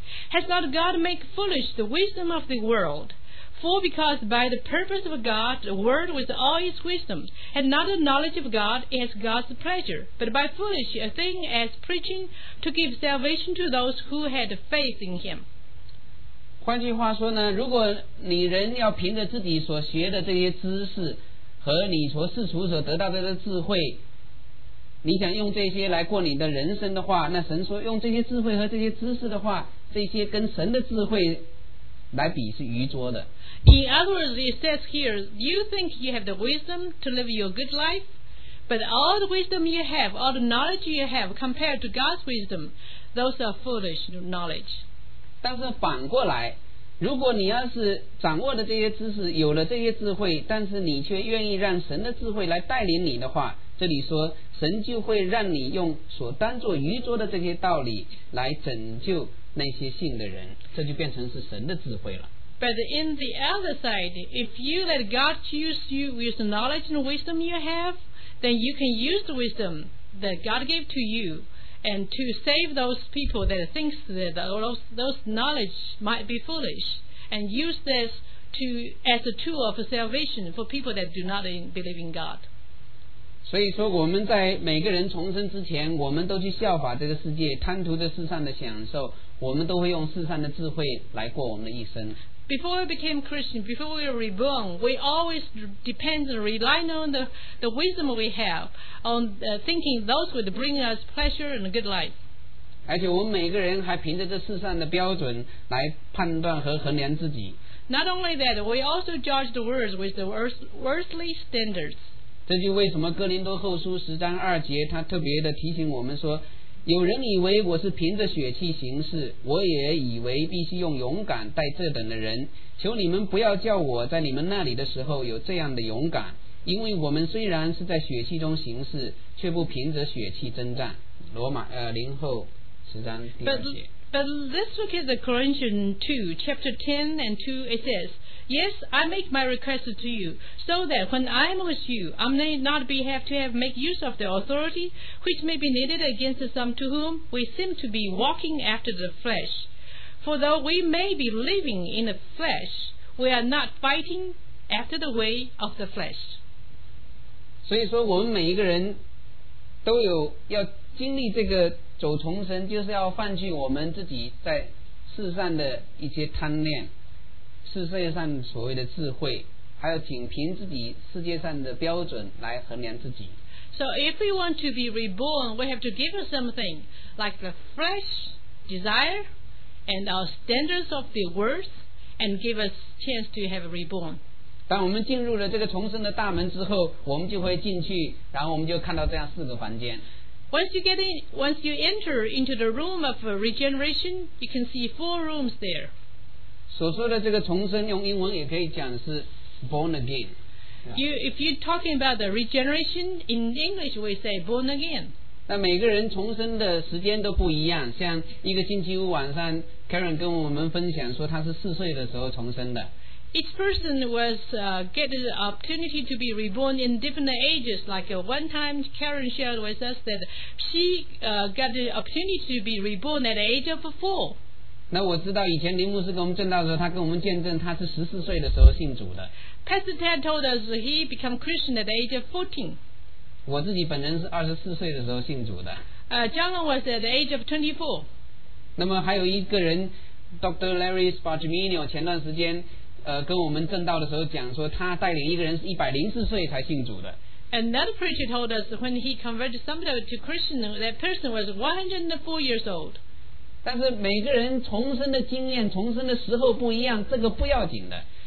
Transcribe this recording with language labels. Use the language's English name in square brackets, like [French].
[English] Has not God made foolish the wisdom of the world? For because by the purpose of God, the world with all its wisdom, and not the knowledge of God, is God's pleasure, but by foolish a thing as preaching to give salvation to those who had faith in him. [Chinese] 换句话说呢，如果你人要凭着自己所学的这些知识和你所世俗所得到的智慧，你想用这些来过你的人生的话，那神说用这些智慧和这些知识的话，这些跟神的智慧来比是愚拙的。 [English] In other words, it says here, you think you have the wisdom to live your good life, but all the wisdom you have, all the knowledge you have compared to God's wisdom, those are foolish knowledge. [Chinese] 但是反过来，如果你要是掌握了这些知识，有了这些智慧，但是你却愿意让神的智慧来带领你的话，这里说神就会让你用所当作愚拙的这些道理来拯救那些信的人，这就变成是神的智慧了。 [English] But in the other side, if you let God choose you with the knowledge and wisdom you have, then you can use the wisdom that God gave to youand to save those people that think that those knowledge might be foolish, and use this to as a tool of salvation for people that do not believe in God. [Chinese] 所以说我们在每个人重生之前，我们都去效法这个世界，贪图这世上的享受，我们都会用世上的智慧来过我们的一生。 [English] Before we became Christian, before we were reborn, we always depend and rely on the wisdom we have, on thinking those would bring us pleasure and a good life. [Chinese] 而且我们每个人还凭着这世上的标准来判断和衡量自己。 [English] Not only that, we also judge the world with the worldly standards. [Chinese] 这就为什么哥林多后书十章二节他特别的提醒我们说，有人以为我是凭着血气行事，我也以为必须用勇敢待这等的人，求你们不要叫我在你们那里的时候有这样的勇敢，因为我们虽然是在血气中行事，却不凭着血气征战。罗马林后十章第二节。 [English] But let's look at the Corinthians 2 chapter 10 and 2. It says, yes, I make my request to you, so that when I am with you, I may not be have to have make use of the authority which may be needed against some to whom we seem to be walking after the flesh. For though we may be living in the flesh, we are not fighting after the way of the flesh. [Chinese] 所以说我们每一个人都有要经历这个走从神，就是要放弃我们自己在世上的一些贪恋，世界上所谓的智慧，还有仅凭自己世界上的标准来衡量自己。 [English] So if we want to be reborn, we have to give up something like the flesh desire and our standards of the world and give us chance to have a reborn. [Chinese] 当我们进入了这个重生的大门之后，我们就会进去，然后我们就看到这样四个房间。 [English] Once you enter into the room of regeneration, you can see four rooms there. [Chinese] 所说的这个重生，用英文也可以讲是 [English] born again. If you're talking about the regeneration, in English we say born again. [Chinese] 那每个人重生的时间都不一样，像一个星期五晚上 Karen 跟我们分享说她是四岁的时候重生的。 [English] Each person was get the opportunity to be reborn in different ages. Like one time Karen shared with us that she got the opportunity to be reborn at the age of four. [Chinese] 那我知道以前林牧师跟我们证道的时候，他跟我们见证他是14岁的时候信主的。 [English] Pastor Ted told us he became Christian at the age of 14. [Chinese] 我自己本人是24岁的时候信主的。 [English] John was at the age of 24. [Chinese] 那么还有一个人 Dr. Larry Spargimino 前段时间跟我们证道的时候讲说他带领一个人是104岁才信主的。 [English] Another preacher told us when he converted somebody to Christian, that person was 104 years old. [Chinese] 但是每个人重生的经验重生的时候不一样，这个不要紧的。